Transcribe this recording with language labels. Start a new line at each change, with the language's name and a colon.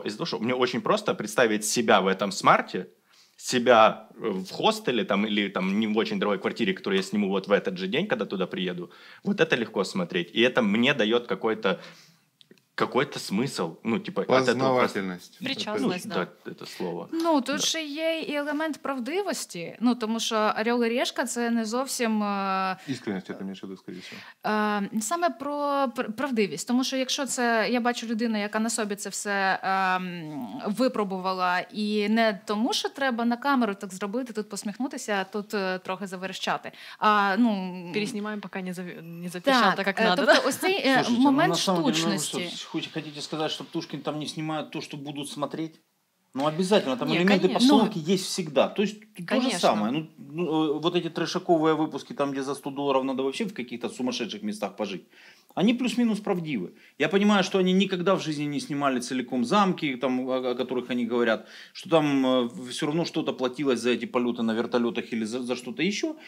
Russian: Из-за того, что мне очень просто представить себя в этом смарте, себя в хостеле там или там не в очень дорогой квартире, которую я сниму вот в этот же день, когда туда приеду, вот это легко смотреть. И это мне дает какой-то смысл, ну, типа... Познавательность. Причастность, да. Так, это слово.
Ukrainian: Ну, тут ще є і елемент правдивості, ну, тому що «Орел і Решка» — це не зовсім... Іскренність, я там ще доскрізь. Саме про правдивість, тому що якщо це... Я бачу людину, яка на собі це все випробувала, і не тому, що треба на камеру так зробити, тут посміхнутися, а тут трохи заверещати. Ну, переснімаємо, поки не запіщала так, як треба. Тобто ось цей момент штучності.
Russian: Хотите сказать, что Птушкин там не снимает то, что будут смотреть? Ну, обязательно. Там элементы постановки есть всегда. То есть, конечно. То же самое. Ну, вот эти трешаковые выпуски, там, где за $100 надо вообще в каких-то сумасшедших местах пожить, они плюс-минус правдивы. Я понимаю, что они никогда в жизни не снимали целиком замки, там, о которых они говорят, что там все равно что-то платилось за эти полеты на вертолетах или за что-то еще.